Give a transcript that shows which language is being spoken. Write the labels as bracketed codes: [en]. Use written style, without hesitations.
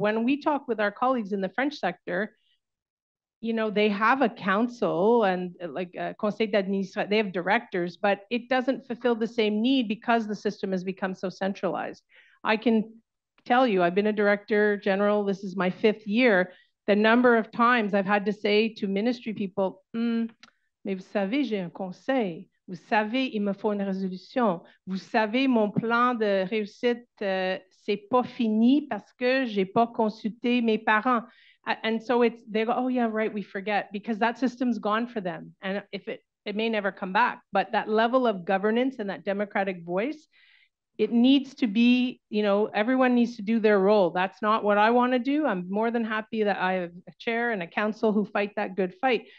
[en] When we talk with our colleagues in the French sector, you know, they have a council and like a conseil d'administration, they have directors, but it doesn't fulfill the same need because the system has become so centralized. I can tell you, I've been a director general, this is my fifth year, the number of times I've had to say to ministry people, [fr] mais vous savez, j'ai un conseil, Vous savez, il me faut une résolution. Vous savez, mon plan de réussite, c'est pas fini parce que j'ai pas consulté mes parents. [en] And so it's, they go, oh yeah, right, we forget, because that system's gone for them. And if it, it may never come back, but that level of governance and that democratic voice, it needs to be, you know, everyone needs to do their role. That's not what I want to do. I'm more than happy that I have a chair and a council who fight that good fight.